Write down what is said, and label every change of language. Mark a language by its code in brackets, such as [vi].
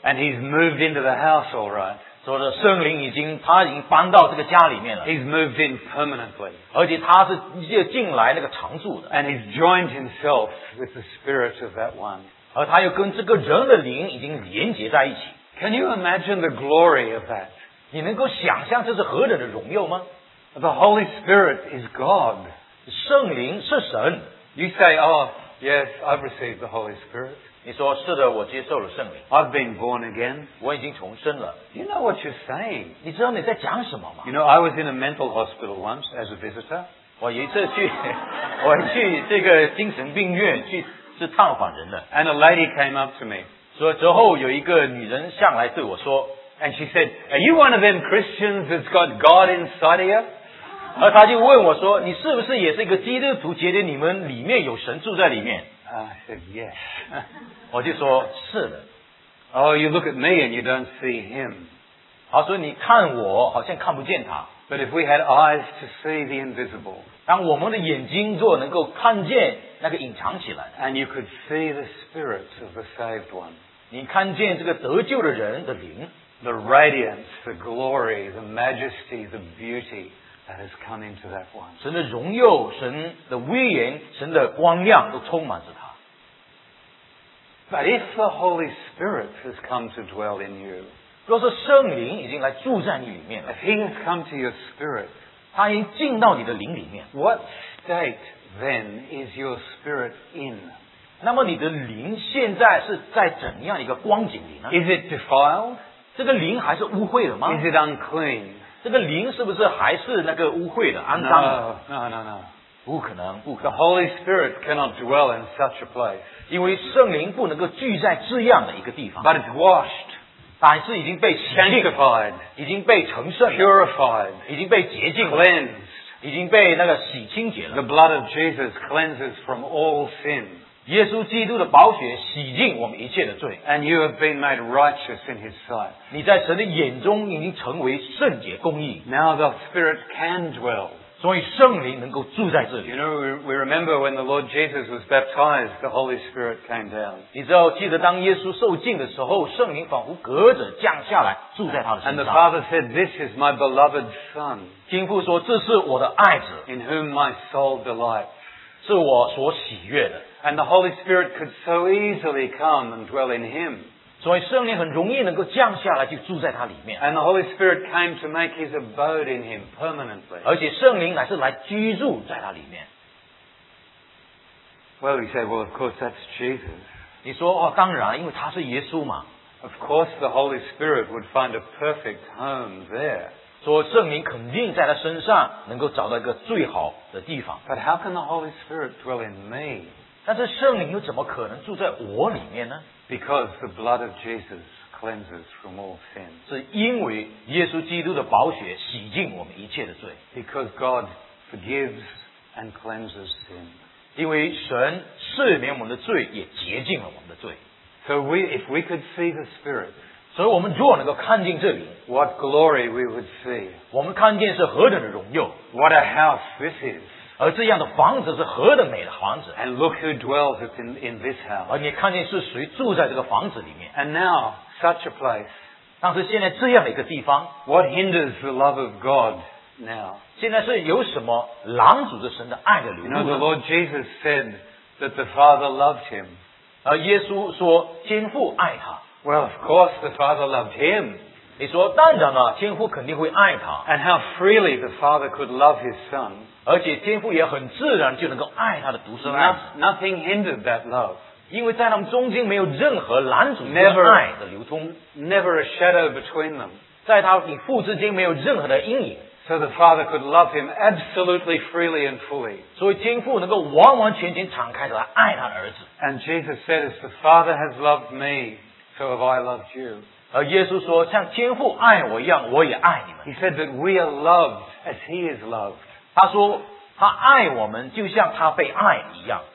[en] And He's moved into the house, all right. [zh] 说的圣灵已经，他已经搬到这个家里面了。 [en] He's moved in permanently. [zh] 而且他是进来那个常住的。 [en] And He's joined Himself with the Spirit of that one. [zh] 而他又跟这个人的灵已经连接在一起。 [en] Can you imagine the glory of that? [zh] 你能够想象这是何等的荣耀吗? [en] The Holy Spirit is God. [zh] 圣灵是神。 [en] You say, oh, yes, I've received the Holy Spirit. [zh] 你说是的，我接受了圣灵。 [en] I've been born again. [zh] 我已经重生了。 [en] You know what you're saying? [zh] 你知道你在讲什么吗? [en] You know, I was in a mental hospital once as a visitor. [zh] 我有一次去这个精神病院去。 [en] And a lady came up to me. [zh] 所以之后有一个女人向来对我说, [en] and she said, are you one of them Christians that's got God inside of you? [zh] 而他就问我说你是不是也是一个基督徒觉得你们里面有神住在里面 [en] I said yes [zh] 我就说是的 [en] Oh you look at me and you don't see him [zh] 他说你看我好像看不见他 [en] But if we had eyes to see the invisible [zh] 当我们的眼睛若能够看见那个隐藏起来 [en] And you could see the spirit of the saved one [zh] 你看见这个得救的人的灵 [en] The radiance, the glory, the majesty, the beautyThat has come into that one. [zh] 神的荣耀，神的威严，神的光亮都充满着他。 [en] But if the Holy Spirit has come to dwell in you, [zh] 若是圣灵已经来住在你里面了 [en] ，If He has come to your spirit, [zh] 他已经进到你的灵里面。 [en] What state then is your spirit in? [zh] 那么你的灵现在是在怎样一个光景里呢 [en] ？Is it defiled? [zh] 这个灵还是污秽的吗 [en] ？Is it unclean? [zh] 这个灵是不是还是那个污秽的肮脏的 [en] No. [zh] 不可能。 [en] The Holy Spirit cannot dwell in such a place. [zh] 因为圣灵不能够聚在这样的一个地方。 [en] But it's washed. [zh] 但是已经被洗净。 [en] Sanctified. [zh] 已经被成圣。 [en] Purified. [zh] 已经被洁净。 [en] Cleansed. [zh] 已经被那个洗清洁了。 [en] The blood of Jesus cleanses from all sin. [zh] 耶稣基督的宝血洗净我们一切的罪。 [en] And you have been made righteous in his sight. [zh] 你在神的眼中已经成为圣洁公义。 [en] Now the Spirit can dwell. [zh] 所以圣灵能够住在这里。 [en] You know, we remember when the Lord Jesus was baptized, the Holy Spirit came down. [zh] 你知道记得当耶稣受浸的时候圣灵仿佛隔着降下来住在他的身上。 [en] And the Father said, this is my beloved Son. [zh] 天父说这是我的爱子。 [en] In whom my soul delights. [zh] 是我所喜悦的 [en] And the Holy Spirit could so easily come and dwell in him. [zh] 所以圣灵很容易能够降下来就住在他里面 [en] And the Holy Spirit came to make his abode in him permanently. [zh] 而且圣灵乃是来居住在他里面 [en] Well, you say, well, of course, that's Jesus. [zh] 你说、哦、当然因为他是耶稣嘛 [en] Of course, the Holy Spirit would find a perfect home there. [zh] 说圣灵肯定在他身上能够找到一个最好的地方。 [en] But how can the Holy Spirit dwell in me? [zh] 但是圣灵又怎么可能住在我里面呢 [en] ？Because the blood of Jesus cleanses from all sin. [zh] 是因为耶稣基督的宝血洗净我们一切的罪。 [en] Because God forgives and cleanses sin. [zh] 因为神赦免我们的罪，也洁净了我们的罪。 [en] So we, if we could see the Spirit. [zh] 所以我们若能够看见这里 [en] What glory we would see. [zh] 我们看见是何等的荣耀 [en] What a house this is. [zh] 而这样的房子是何等美的房子 [en] And look who dwells in this house. [zh] 而你看见是谁住在这个房子里面 [en] And now, such a place. [zh] 但是现在这样的一个地方 [en] What hinders the love of God now? [zh] 现在是有什么拦阻着神的爱的流露 [en] You know, the Lord Jesus said that the Father loved him. [zh] 而耶稣说天父爱他 [en] Well, of course, the Father loved him. [zh] 你说当然了，天父肯定会爱他。 [en] And how freely the Father could love his Son. [zh] 而且天父也很自然就能够爱他的独生爱子。 [en] Nothing hindered that love. [zh] 因为在他们中间没有任何拦阻这个爱的流通。 [en] Never a shadow between them. [zh] 在他们父之间没有任何的阴影。 [en] So the Father could love him absolutely freely and fully. [zh] 所以天父能够完完全全敞开来爱他的儿子。 [en] And Jesus said, as the Father has loved me. So have I loved you. [zh] 而耶稣说，像天父爱我一样，我也爱你们。 [en] He said that we are loved as He is loved. [zh] 他说，他爱我们就像他被爱一样。